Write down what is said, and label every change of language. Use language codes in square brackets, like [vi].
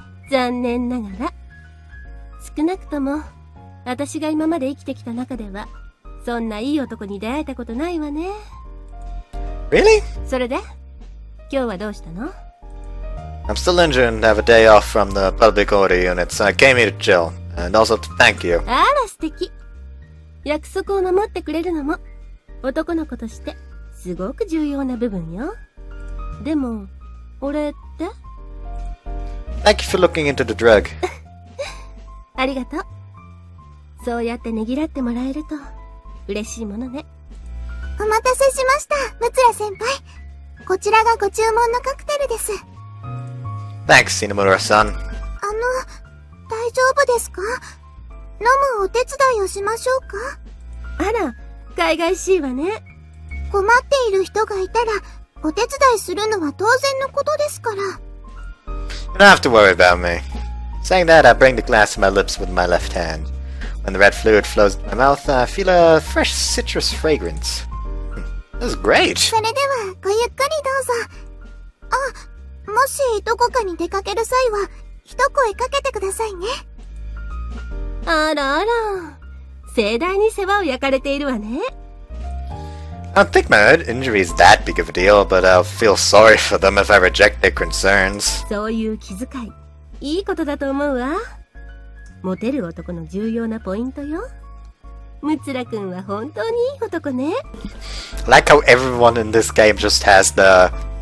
[ja] 残念ながら少なくとも私が今まで生きてきた中ではそんないい男に出会えたことないわね。 [en] Really? [ja] それで今日はどうしたの? [en] I'm still injured and have a day off from the public order unit, so I came here to chill and also to thank you. [ja] あら素敵。約束を守ってくれるのも男の子としてすごく重要な部分よ。でも俺って。 [en] Thank you for looking into the drug. [ja] ありがとう。そうやってねぎらってもらえると嬉しいものね。お待たせしました、ムツラ先輩。こちらがご注文のカクテルです。 [en] Thanks, Inamura-san. [ja] あの、大丈夫ですか? 飲むお手伝いをしましょうか? あら、かいがいしいわね。困っている人がいたら、お手伝いするのは当然のことですから。 [en] You don't have to worry about me. Saying that, I bring the glass to my lips with my left hand. When the red fluid flows into my mouth, I feel a fresh citrus fragrance. This is great! [ja] それでは、ごゆっくりどうぞ。あ、もしどこかに出かける際は、一声かけてくださいね。あらあら、盛大に世話を焼かれているわね。 [en] I don't think my injury is that big of a deal, but I'll feel sorry for them if I reject their concerns. [ja] そういう気遣い、いいことだと思うわ。モテる男の重要なポイントよ。ムツラ君は本当にいい男ね。 [en] I like how everyone in this game just has the...